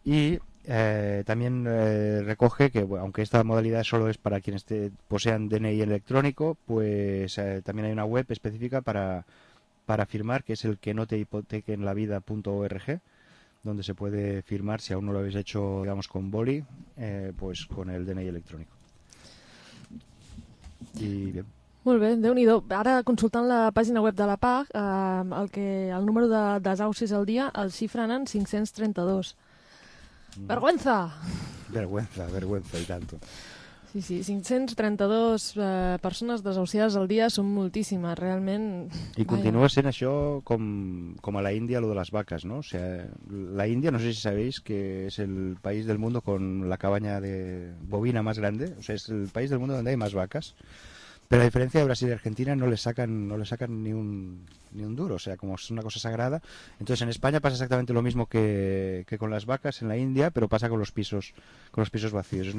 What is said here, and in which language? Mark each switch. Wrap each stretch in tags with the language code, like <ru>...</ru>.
<es>Y también recoge que, bueno, aunque esta modalidad solo es para quienes posean DNI electrónico, pues también hay una web específica para firmar, que es el que no te hipotequen la vida.org, donde se puede firmar si aún no lo habéis hecho, digamos, con boli, pues con el DNI electrónico. Y bien.</es> <ca>Molt bé, déu-n'hi-do. Ara, consultant la pàgina web de la PAC, el número de desaucis al dia el xifren en 532.</ca> <es>Mm. Vergüenza! Vergüenza, vergüenza,</es> <ca>i tanto. Sí, sí, 532 persones desahuciades al dia són moltíssimes, realment. I continua sent això com a la Índia, lo de les vaques, no?</ca> <es>O sea, la Índia, no sé si sabéis, que és el país del mundo con la cabaña de bovina más grande, o sea, és el país del mundo donde hay más vacas, pero a diferencia de Brasil y Argentina no le sacan ni un duro, o sea, como es una cosa sagrada. Entonces en España pasa exactamente lo mismo que con las vacas en la India, pero pasa con los pisos vacíos.</es>